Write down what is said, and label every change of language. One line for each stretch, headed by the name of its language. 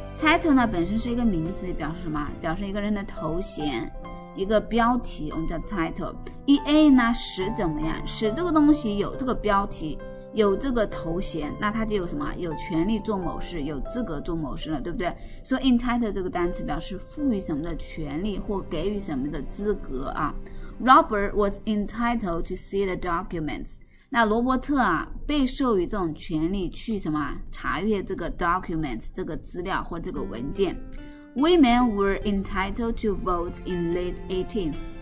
Chinese: title 呢本身是一个名词，表示什么？表示一个人的头衔，一个标题，我们叫 title。 ea 呢使怎么样？使这个东西有这个标题，有这个头衔，那它就有什么？有权利做某事，有资格做某事了，对不对？所以 entitle 这个单词表示赋予什么的权利或给予什么的资格啊。
English: Robert was entitled to see the documents。
Chinese: 那罗伯特啊被授予这种权利去什么查阅这个 document 这个资料或这个文件。
English: Women were entitled to vote in late 18th。